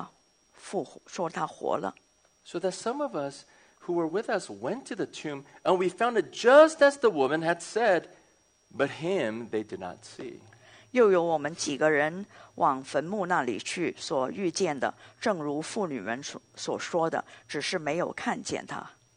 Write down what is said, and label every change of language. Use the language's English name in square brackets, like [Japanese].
[Chinese] 在这我们中间有几个妇女使我们惊奇，她们清早到了坟墓那里，不见她的身体，就回来告诉我们说，看见了天使显现，说她活了。 [English] So that some of us who were with us went to the tomb and we found it just as the woman had said, but him they did not see. [Chinese] 又有我们几个人往坟墓那里去所遇见的，正如妇女们所说的，只是没有看见他。